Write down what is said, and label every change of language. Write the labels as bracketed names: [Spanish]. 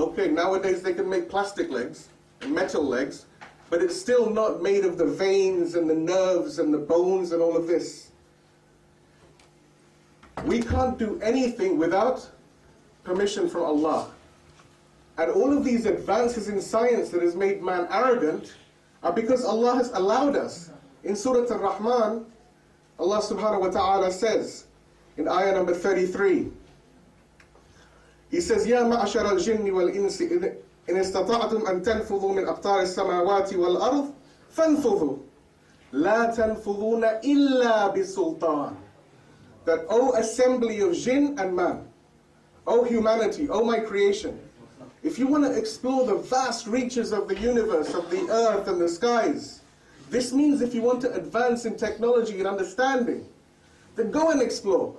[English] Okay, nowadays they can make plastic legs, metal legs, but it's still not made of the veins and the nerves and the bones and all of this. We can't do anything without permission from Allah. And all of these advances in science that has made man arrogant are because Allah has allowed us. In Surah Ar-Rahman, Allah subhanahu wa ta'ala says, in ayah number 33, He says, [Arabic] يَا مَعْشَرَ الْجِنِّ وَالْإِنسِ إِنْ اسْتَطَعْتُمْ أَنْ تَنْفُذُوا مِنْ أَقْطَارِ السَّمَاوَاتِ وَالْأَرْضِ فَانْفُذُوا لَا تَنْفُذُونَ إِلَّا بِسُلْطَانِ. [English] That, O assembly of jinn and man, O humanity, O my creation, if you want to explore the vast reaches of the universe, of the earth and the skies, this means if you want to advance in technology and understanding, then go and explore.